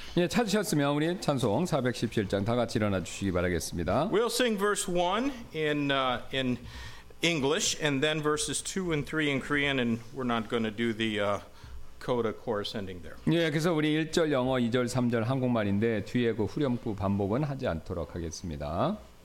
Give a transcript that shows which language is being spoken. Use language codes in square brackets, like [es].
[ko] 예, 찾으셨으면 우리 찬송 417장 다 같이 일어나 주시기 바라겠습니다. [en] We'll sing verse 1 in English and then verses 2 and 3 in Korean, and we're not going to do the coda chorus ending there. [ko] 예, 그래서 우리 1절 영어, 2절, 3절 한국말인데 뒤에 그 후렴구 반복은 하지 않도록 하겠습니다.